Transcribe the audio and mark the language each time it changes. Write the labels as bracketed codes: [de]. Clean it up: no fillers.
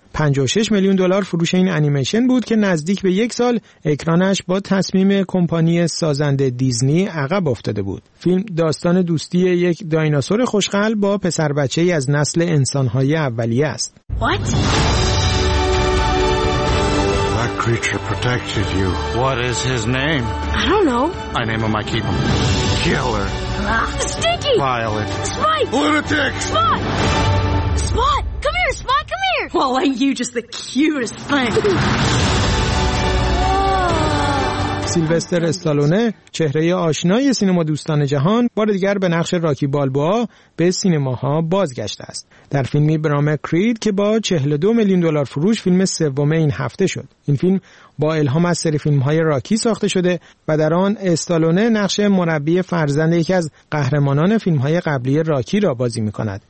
[fa] 56 میلیون دلار فروش این انیمیشن بود که نزدیک به یک سال اکرانش با تصمیم کمپانی سازنده دیزنی عقب افتاده بود. فیلم داستان دوستی یک دایناسور خوشقلب با پسر بچه‌ای از نسل انسان‌های اولیه است. [en] What? Creature protected you. What is his name? I don't know. I name him, I keep him. Killer. Stinky. Violet. Spike. Lunatic. Spot. Spot. Come here, Spot, come here. Well, ain't you just the cutest thing? [fa] سیلوستر استالونه، چهره آشنای سینما دوستان جهان، بار دیگر به نقش راکی بالبوا به سینماها بازگشته است. در فیلمی به نام کرید که با 42 میلیون دلار فروش فیلم سوم این هفته شد. این فیلم با الهام از سری فیلم‌های راکی ساخته شده و در آن استالونه نقش مربی فرزند یکی از قهرمانان فیلم‌های قبلی راکی را بازی می‌کند.